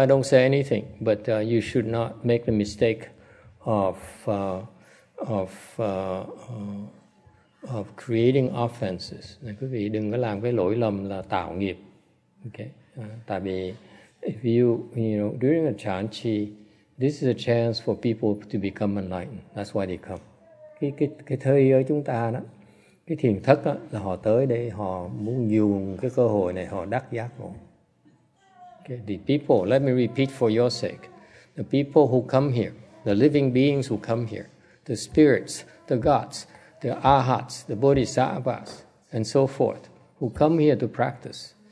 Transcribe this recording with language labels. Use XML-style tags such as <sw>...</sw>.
<en>I don't say anything, but you should not make the mistake of creating offenses.</en> <vi>Này, quý vị đừng có làm cái lỗi lầm là tạo nghiệp.</vi> <en>Okay.</en> <vi>Tại vì</vi> <en>if you know, during a Chan Chi, this is a chance for people to become enlightened. That's why they come.</en> <vi>Cái thời ở chúng ta đó, cái thiền thất đó, là họ tới đây họ muốn dùng cái cơ hội này họ đắc giác ngộ.</vi> <en>Okay. The people, let me repeat for your sake, the people who come here, the living beings who come here, the spirits, the gods, the arhats, the bodhisattvas, and so forth, who come here to practice.</en>